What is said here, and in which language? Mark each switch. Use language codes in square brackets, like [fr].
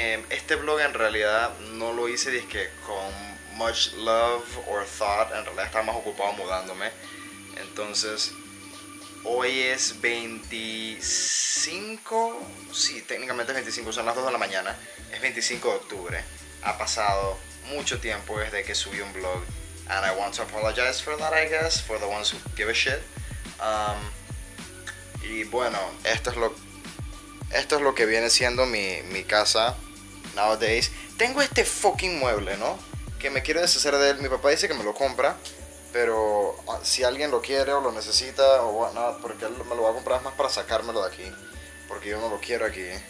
[es] Este vlog en realidad no lo hice disque con [en] much love or thought. [es] En realidad estaba más ocupado mudándome. Entonces, Hoy es 25, sí, técnicamente es 25, son las 2 de la mañana. Es 25 de octubre. Ha pasado mucho tiempo desde que subí un blog. [en] And I want to apologize for that, I guess, for the ones who give a shit. [es] Y bueno, esto es lo que viene siendo mi casa nowadays. Tengo este fucking mueble, ¿no? Que me quiero deshacer de él. Mi papá dice que me lo compra, pero si alguien lo quiere o lo necesita o whatnot, porque él me lo va a comprar más para sacármelo de aquí, porque yo no lo quiero aquí.